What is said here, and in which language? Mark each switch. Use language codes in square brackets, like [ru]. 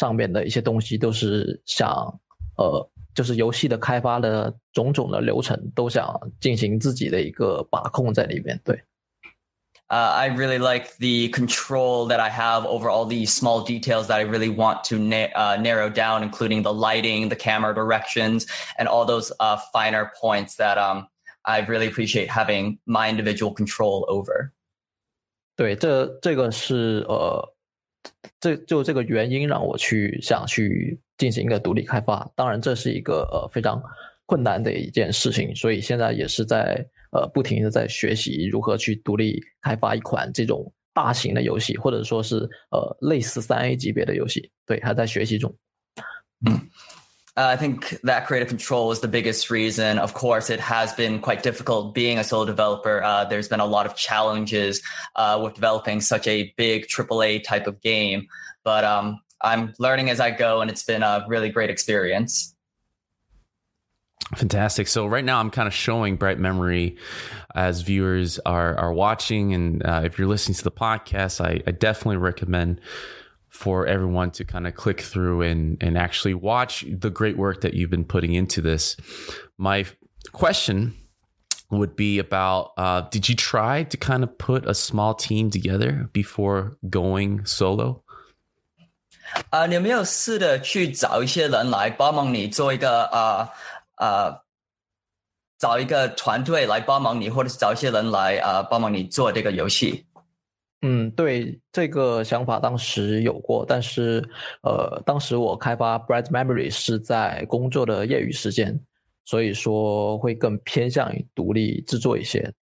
[zh] 对，然后其次就是除了更自由，还能去把控制作游戏的很多一些细节，就是例如我比较喜欢去制作一些镜头啊、灯光啊，或者是一些艺术上面的一些东西，都是想。就是游戏的开发的种种的流程都想进行自己的一个把控在里面，对。 [en] I really like the control that I have over all these small details that I really want to narrow down, including the lighting, the camera directions, and all those finer points that I really appreciate having my individual control over. [zh] 对，这个是这就这个原因让我去想去。进行一个独立开发，当然这是一个非常困难的一件事情，所以现在也是在不停的在学习如何去独立开发一款这种大型的游戏，或者说是类似3A 级别的游戏，对，还在学习中。 [en] I think that creative control is the biggest reason. Of course, it has been quite difficult being a solo developer. There's been a lot of challenges with developing such a big AAA type of game. But I'm learning as I go, and it's been a really great experience. Fantastic. So right now I'm kind of showing Bright Memory as viewers are watching. And if you're listening to the podcast, I definitely recommend for everyone to kind of click through and actually watch the great work that you've been putting into this. My question would be about, did you try to kind of put a small team together before going solo? [zh] 你有没有试着去找一些人来帮忙你做一个找一个团队来帮忙你，或者是找一些人来帮忙你做这个游戏？嗯，对，这个想法当时有过，但是当时我开发 Bright Memory 是在工作的业余时间，所以说会更偏向于独立制作一些。